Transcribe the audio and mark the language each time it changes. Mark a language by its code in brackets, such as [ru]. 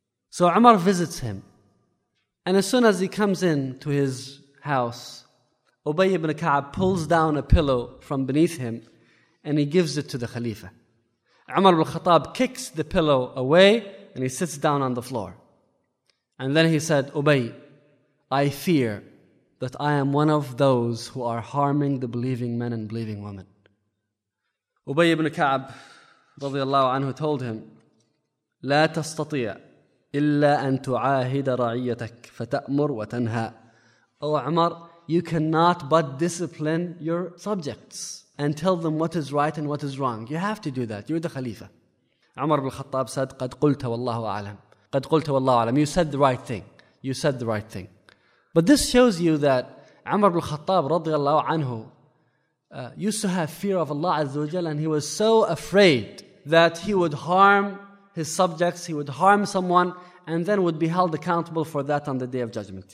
[en] So Umar visits him. And as soon as he comes in to his house, Ubay ibn Ka'b pulls down a pillow from beneath him and he gives it to the Khalifa. Umar ibn Khattab kicks the pillow away and he sits down on the floor. And then he said, Ubay, I fear that I am one of those who are harming the believing men and believing women. Ubay ibn Ka'b radiallahu anhu told him, [ar] لا تستطيع إلا أن تعاهد رعيتك فتأمر وتنهى. [en] O Umar, you cannot but discipline your subjects and tell them what is right and what is wrong. You have to do that. You're the Khalifa. Umar ibn Khattab said, [ar] قد قلت والله أعلم. قد قلت والله أعلم. [en] You said the right thing. You said the right thing. But this shows you that Umar ibn Khattab [ar] رضي الله عنه [en] used to have fear of Allah Azza wa Jal, and he was so afraid that he would harm his subjects, he would harm someone, and then would be held accountable for that on the Day of Judgment.